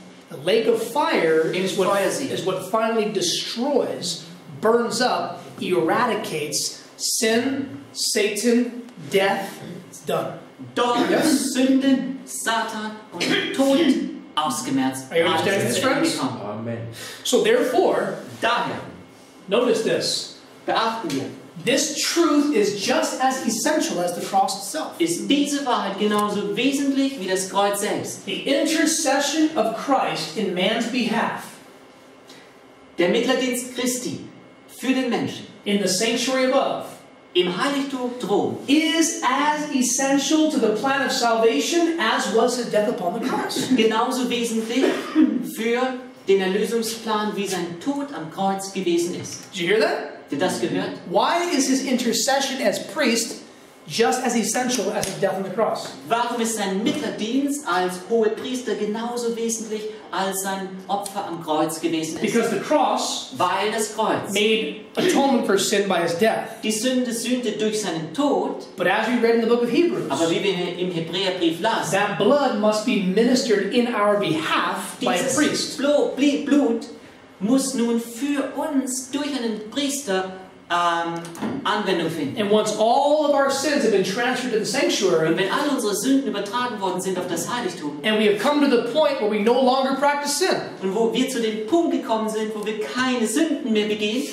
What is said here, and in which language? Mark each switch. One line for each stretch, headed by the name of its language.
English: The lake of fire is what finally destroys, burns up, eradicates sin, Satan, death, it's done.
German: Dort yes? Sünde, Satan und Tod ausgemerzt.
English: Are you understanding this, friends? Amen. So therefore,
German: daher,
English: notice this.
German: Beachten wir.
English: This truth is just as essential as the cross itself.
German: Ist diese Wahrheit genauso wesentlich wie das Kreuz selbst?
English: The intercession of Christ in man's behalf.
German: Der Mittlerdienst Christi für den Menschen.
English: In the sanctuary above.
German: Im Heiligtum droben.
English: Is as essential to the plan of salvation as was his death upon the cross.
German: Genauso wesentlich für den Erlösungsplan wie sein Tod am Kreuz gewesen ist.
English: Did you hear that?
German: Habt ihr das gehört?
English: Why is his intercession as priest just as essential as his death on the cross?
German: Warum ist sein Mittlerdienst als Hohepriester genauso wesentlich als sein Opfer am Kreuz gewesen ist?
English: Because the cross,
German: weil das Kreuz,
English: made atonement for sin by his death.
German: Die Sünde sühnte durch seinen Tod.
English: But as we read in the book of Hebrews,
German: aber wie wir im Hebräerbrief lasen,
English: that blood must be ministered in our behalf by a priest.
German: Blut muss nun für uns durch einen Priester Anwendung finden.
English: And once all of our sins have been transferred to the sanctuary,
German: und wenn all unsere Sünden übertragen worden sind auf das Heiligtum,
English: and we have come to the point where we no longer practice sin,
German: und wo wir zu dem Punkt gekommen sind, wo wir keine Sünden mehr begehen,